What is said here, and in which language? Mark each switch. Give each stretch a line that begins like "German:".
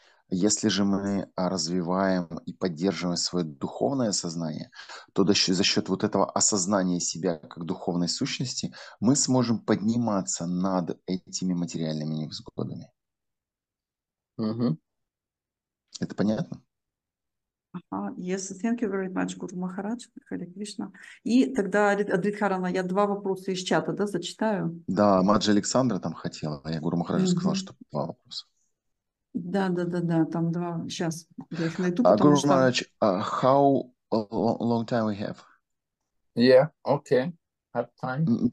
Russian: Если же мы развиваем и поддерживаем свое духовное сознание, то за счет вот этого осознания себя как духовной сущности мы сможем подниматься над этими материальными невзгодами. Это понятно?
English: Yes, thank you very much, Guru Maharaj, Hare Krishna.
Russian: И тогда, Адридхарана, я два вопроса из чата, да, зачитаю? Да, Маджи Александра там хотела, а я Гуру Махараджу сказал, что два вопроса. Да, там два, сейчас я их найду, Гуру потому что...
English: Махарадж, how long time we have? Yeah, okay, have time.